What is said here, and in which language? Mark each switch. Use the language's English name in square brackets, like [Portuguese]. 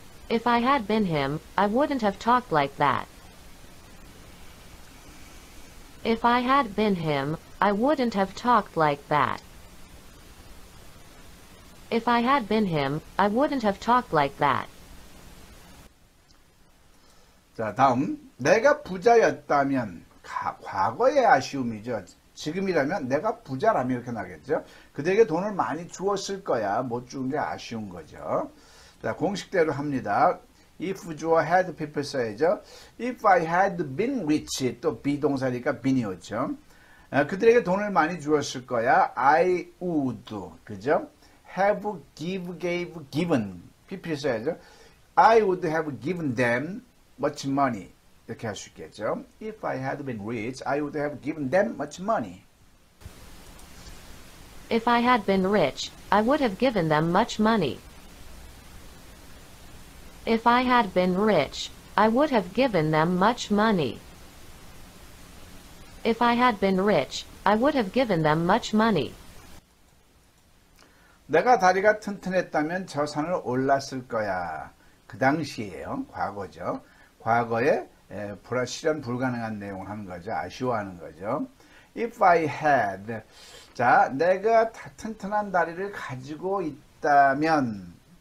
[English] If I had been him, I wouldn't have talked like that. If I had been him, I wouldn't have talked like that. If I had been him, I wouldn't have talked like that. [Korean] 자, 다음. 내가 부자였다면 과거의 아쉬움이죠. 지금이라면 내가 부자라면 이렇게 나겠죠. 그들에게 돈을 많이 주었을 거야. 못 주는 게 아쉬운 거죠. 자, 공식대로 합니다. [English] If 주어 had people [Korean] 써야죠. [English] If I had been rich, [Korean] 또 [English] be [Korean] 동사니까 [English] been이었죠. [Korean] 그들에게 돈을 많이 주었을 거야. [English] I would, [Korean] 그죠? [English] Have, give, gave, given. PP [Korean] 써야죠. [English] I would have given them much money. [Korean] 이렇게 할수 있겠죠. [English] If I had been rich, I would have given them much money. If I had been rich, I would have given them much money. If I had been rich, I would have given them much money. If I had been rich, I would have given them much money. [Korean] 내가 다리가 튼튼했다면 저 산을 올랐을 거야. 그 당시에요. 과거죠. 과거에 실현 불가능한 내용을 하는 거죠. 아쉬워하는 거죠. [English] If I had. [Korean] 자, 내가 튼튼한 다리를 가지고 있다면.